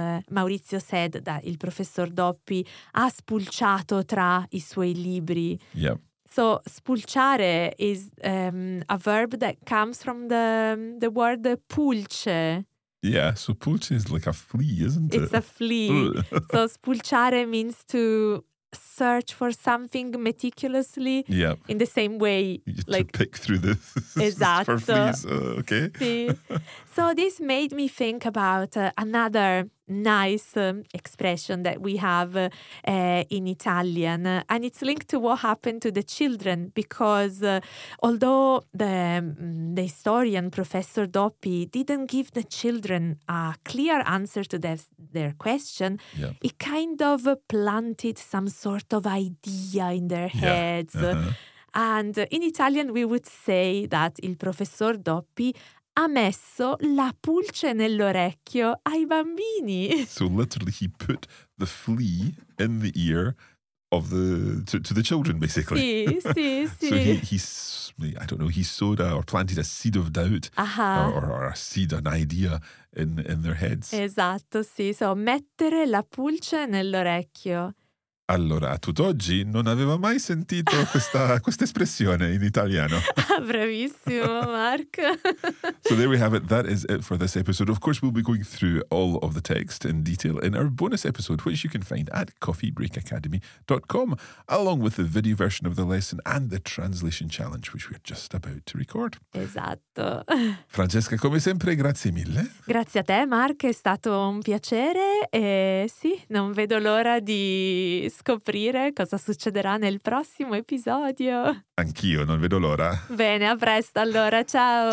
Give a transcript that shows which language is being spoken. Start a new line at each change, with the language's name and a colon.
English: Maurizio said that
Italian: il professor Doppi ha spulciato tra i suoi libri.
English: Yeah. So spulciare is a verb that comes from the word pulce. Yeah, so pulce is like a flea, isn't it? It's a flea. So spulciare means to search for something meticulously. Yeah. In the same way, like to pick through the exactly for fleas. Okay. So this made me think about another nice expression that we have in Italian, and it's linked to what happened to the children, because although the historian Professor Doppi didn't give the children a clear answer to their question, yeah. it kind of planted some sort of idea in their heads. Uh-huh. And in Italian we would say that
Italian: il Professor Doppi ha messo la pulce nell'orecchio ai bambini.
English: So literally he put the flea in the ear of to the children, basically.
Italian: Sì, sì, sì.
English: So he sowed or planted a seed of doubt, uh-huh. or a seed, an idea in their heads.
Italian: Esatto, sì.
English: So
Italian: mettere la pulce nell'orecchio. Allora, a tutt'oggi non aveva mai sentito questa espressione in italiano. Bravissimo, Mark.
English: So there we have it. That is it for this episode. Of course, we'll be going through all of the text in detail in our bonus episode, which you can find at coffeebreakacademy.com, along with the video version of the lesson and the translation challenge, which we're just about to record.
Italian: Esatto. Francesca, come sempre, grazie mille. Grazie a te, Mark. È stato un piacere. E sì, non vedo l'ora di scoprire cosa succederà nel prossimo episodio. Anch'io, non vedo l'ora. Bene, a presto allora, ciao.